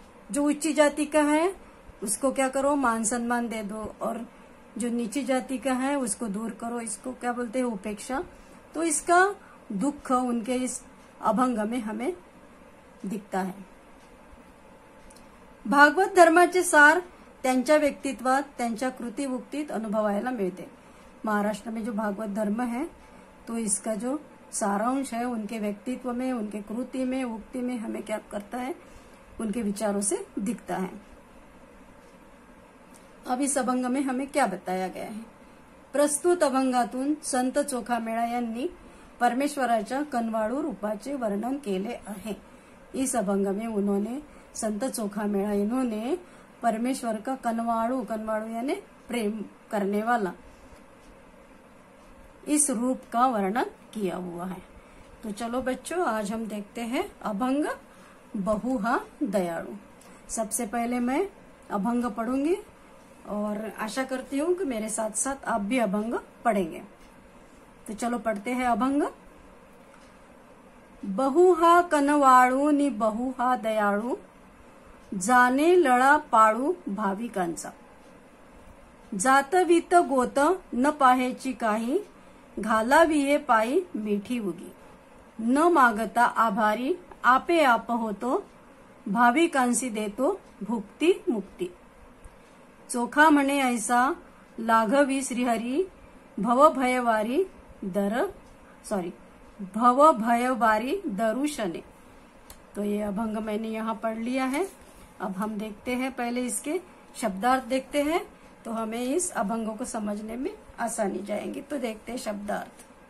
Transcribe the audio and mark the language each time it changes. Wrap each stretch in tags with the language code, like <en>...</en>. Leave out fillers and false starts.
<hi>जो उच्च जाति का है उसको क्या करो, मान सम्मान दे दो, और जो नीची जाति का है उसको दूर करो, इसको क्या बोलते हैं, उपेक्षा। तो इसका दुख उनके इस अभंग में हमें दिखता है।</hi> <mr>भागवत धर्माचे सार त्यांच्या व्यक्तित्वात, त्यांच्या कृतीभुक्तीत अनुभवायला मिळते।</mr> <hi>महाराष्ट्र में जो भागवत धर्म है तो इसका जो सारांश है उनके व्यक्तित्व में, उनके कृति में, उक्ति में हमें क्या करता है, उनके विचारों से दिखता है। अब इस अभंग में हमें क्या बताया गया है।</hi> <mr>प्रस्तुत अभंगातून संत चोखामेळा यांनी परमेश्वराच्या कनवाळू रूपाचे वर्णन केले आहे।</mr> <hi>इस अभंग में उन्होंने संत चोखामेळा इन्होंने परमेश्वर का कनवाळू, कनवाळू यानी प्रेम करने वाला, इस रूप का वर्णन किया हुआ है। तो चलो बच्चों, आज हम देखते हैं अभंग बहुहा दयाळु। सबसे पहले मैं अभंग पढ़ूंगी और आशा करती हूँ कि मेरे साथ साथ आप भी अभंग पढ़ेंगे। तो चलो पढ़ते हैं अभंग।</hi> <mr>बहुहा कनवाळू नि बहुहा दयाळु, जाने लड़ा पाळू भाविकांचा। जातवित गोत न पाहेची काही, घालावीये पायी मीठी उगी। न मागता आभारी आपे आप होतो, भाविकांसी देतो भुक्ती मुक्ती। चोखा म्हणे ऐसा लाघवी श्रीहरी, भव भयवारी दर सॉरी भव भयवारी दरुशने।</mr> <hi>तो ये अभंग मैंने यहाँ पढ़ लिया है। अब हम देखते हैं, पहले इसके शब्दार्थ देखते हैं तो हमें इस अभंग को समझने में आसानी जाएंगी। तो देखते हैं शब्दार्थ।</hi>